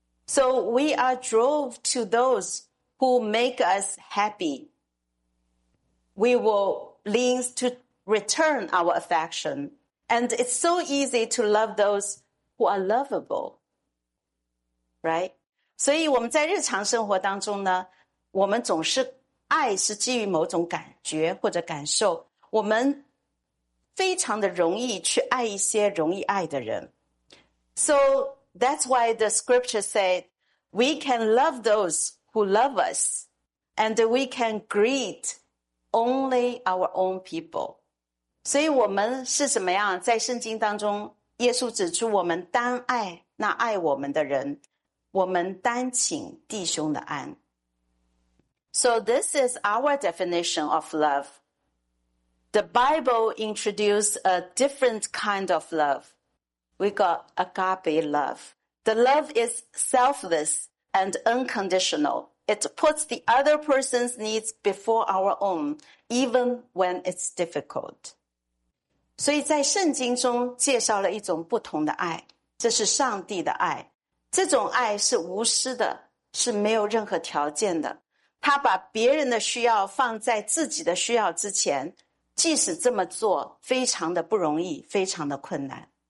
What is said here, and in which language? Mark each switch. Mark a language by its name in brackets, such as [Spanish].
[English] So we are drawn to those who make us happy. We will lean to return our affection. And it's so easy to love those who are lovable. Right? [Chinese] 所以我们在日常生活当中呢，我们总是爱是基于某种感觉或者感受，我们非常的容易去爱一些容易爱的人。 [English] So that's why the scripture said, we can love those who love us, and we can greet only our own people. [Chinese] 所以我们是怎么样，在圣经当中，耶稣指出我们单爱那爱我们的人，我们单请弟兄的安。 [English] So this is our definition of love. The Bible introduced a different kind of love. We got agape love. The love is selfless and unconditional. It puts the other person's needs before our own, even when it's difficult. [Chinese] 所以在圣经中介绍了一种不同的爱，这是上帝的爱。这种爱是无私的，是没有任何条件的。他把别人的需要放在自己的需要之前，即使这么做，非常的不容易，非常的困难。